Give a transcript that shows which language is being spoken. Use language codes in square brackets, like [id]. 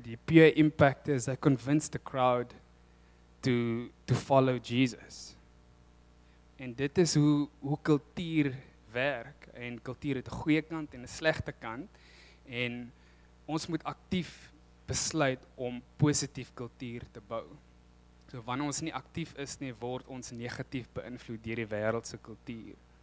[af] Die [en] peer impact is they convinced the crowd to follow Jesus. [af] En dit is hoe kultuur werk. En kultuur het 'n goeie kant en 'n slegte kant, en ons moet aktief besluit om positief kultuur te bou. So wanneer ons nie aktief is nie, word ons negatief beïnvloed deur die wêreldse kultuur.